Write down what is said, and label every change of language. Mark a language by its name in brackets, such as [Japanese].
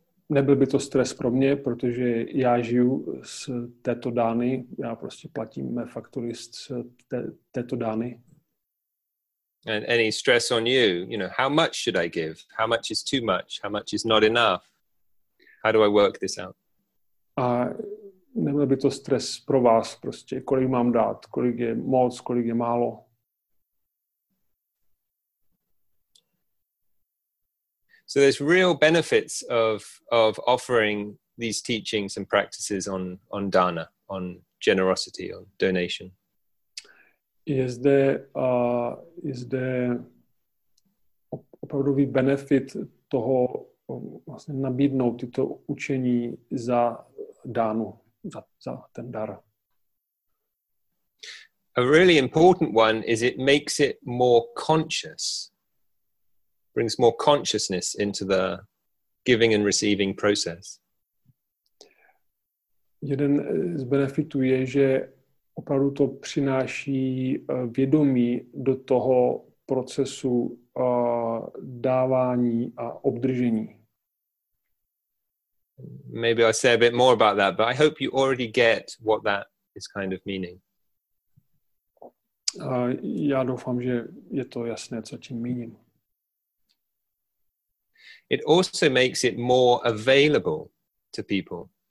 [Czech] Nebyl by to stres pro mě, protože já žiju z této dány, já prostě platím mé faktury z této dány. [English] And any stress on you, you know, how much should I give? How much is too much? How much is not enough? How do I work this out? [Czech] A nebyl by to stres pro vás prostě, kolik mám dát, kolik je moc, kolik je málo. [English] So there's real benefits of offering these teachings and practices on dana, on generosity, on donation. Is there [Czech] opravdový benefit toho vlastně nabídnout tyto učení za dánu, za ten dar? [English] A really important one is it makes it more conscious. Brings more consciousness into the giving and receiving process. [Czech] Jeden z benefitů je, že opravdu to přináší vědomí do toho procesu dávání a obdržení. [English] Maybe I'll say a bit more about that, but I hope you already get what that is kind of meaning. [Czech] Já doufám, že je to jasné, co tím míním. [English] It also makes it more available to people.